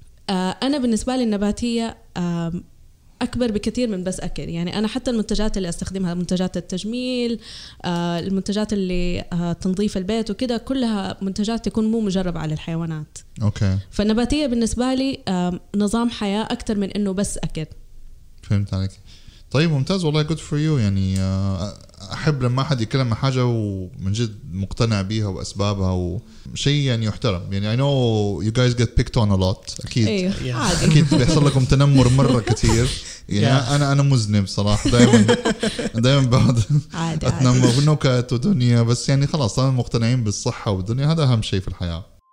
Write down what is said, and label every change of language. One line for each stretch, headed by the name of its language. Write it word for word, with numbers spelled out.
Arabic: أنا بالنسبة لي النباتية أكبر بكثير من بس أكل، يعني أنا حتى المنتجات اللي أستخدمها، منتجات التجميل، المنتجات اللي تنظيف البيت وكده، كلها منتجات تكون مو مجربة على الحيوانات. أوكي. فالنباتية بالنسبة لي نظام حياة أكتر من إنه بس أكل. فهمت عليك. طيب ممتاز والله،
English: good for you.
Arabic: يعني أحب لما أحد يتكلم عن حاجة ومن جد مقتنع بيها وأسبابها وشيء يعني يحترم. يعني
English: I know you guys get picked on a lot.
Arabic: أكيد. أيوه.
English: yeah.
Arabic: أكيد بيحصل لكم تنمر مرة كتير.
English: يعني yeah.
Arabic: أنا أنا مذنب صراحة دائما دائما بعد أتنمر ونكت ودنيا، بس يعني خلاص أنا مقتنعين بالصحة والدنيا، هذا أهم شيء في الحياة.